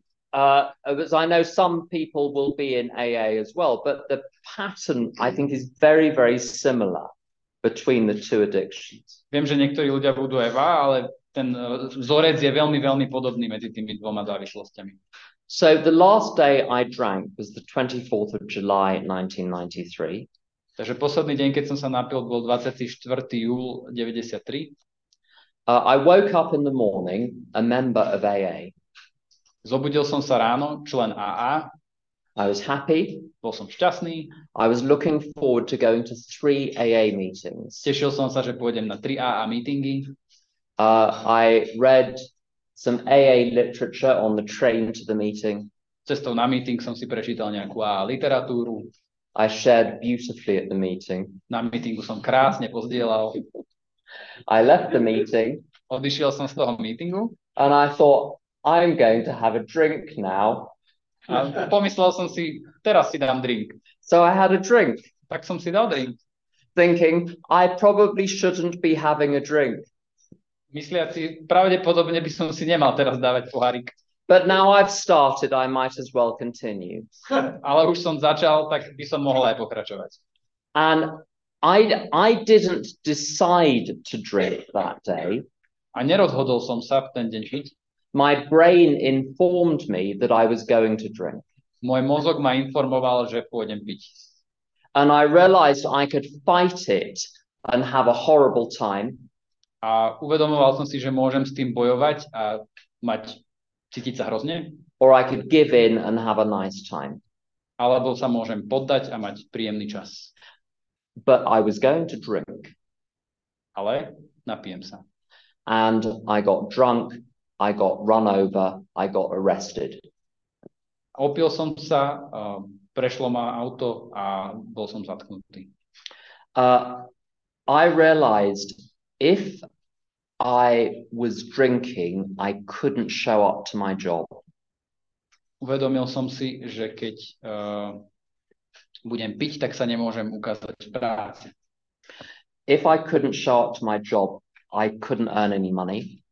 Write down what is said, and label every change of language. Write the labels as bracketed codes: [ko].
[en] As I know some people will be in AA as well, but the pattern I think is very, very similar between the two addictions. [sk] Viem, že niektorí ľudia budú aj AA, ale ten vzorec je veľmi, veľmi podobný medzi tými dvoma závislostiami. [en] So the last day I drank was the 24th of July 1993. [sk] Takže posledný deň, keď som sa napil, bol 24. júl 93. [en] I woke up in the morning a member of AA. [sk] Zobudil som sa ráno, člen AA. [en] I was happy. [sk] Bol som šťastný. [en] I was looking forward to going to 3 AA meetings. [sk] Tešil som sa, že pôjdem na 3 AA meetingy. [en] I read some AA literature on the train to the meeting. [sk] Cestou na meeting som si prečítal nejakú AA literatúru. [en] I shared beautifully at the meeting. [sk] Na meetingu som krásne pozdielal. [en] I left the meeting. [sk] Odišiel som z toho meetingu. [en] And I thought, I'm going to have a drink now. [sk] A pomyslel som si, teraz si dám drink. [en] So I had a drink. [sk] Tak som si dal drink. [en] Thinking, I probably shouldn't be having a drink. [sk] Mysliať si, pravdepodobne by som si nemal teraz dávať pohárik. [en] But now I've started, I might as well continue. [sk] Ale už som začal, tak by som mohol aj pokračovať. [en] And I didn't decide to drink that day. [sk] A nerozhodol som sa v ten deň piť. [en] My brain informed me that I was going to drink. [sk] Môj mozog ma informoval, že pôjdem piť. [en] And I realized I could fight it and have a horrible time. [sk] A uvedomoval som si, že môžem s tým bojovať a mať cítiť sa hrozne. [en] Or I could give in and have a nice time. [sk] Alebo sa môžem poddať a mať príjemný čas. [en] But I was going to drink. [sk] Ale napijem sa. [en] And I got drunk, I got run over, I got arrested. [sk] Opil som sa, prešlo ma auto a bol som zatknutý. [en] I realized if I was drinking, I couldn't show up to my job. [sk] Uvedomil som si, že keď budem piť, tak sa nemôžem ukázať v práci. [en] If I couldn't show up to my job, I couldn't earn any money.